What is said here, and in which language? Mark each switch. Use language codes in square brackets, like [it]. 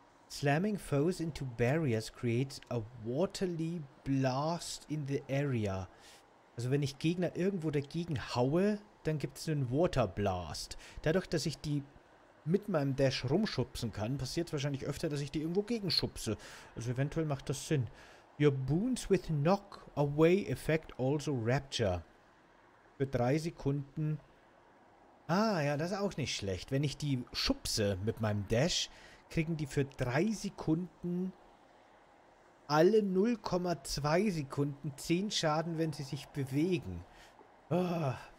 [en] Slamming foes into barriers creates a waterly blast in the area. [de] Also wenn ich Gegner irgendwo dagegen haue, dann gibt es einen Water Blast. Dadurch, dass ich die mit meinem Dash rumschubsen kann, passiert es wahrscheinlich öfter, dass ich die irgendwo gegenschubse. Also eventuell macht das Sinn. [en] Your boons with knock away effect also rapture. [de] Für 3 Sekunden... Ah, ja, das ist auch nicht schlecht. Wenn ich die schubse mit meinem Dash, kriegen die für 3 Sekunden alle 0,2 Sekunden 10 Schaden, wenn sie sich bewegen. Oh.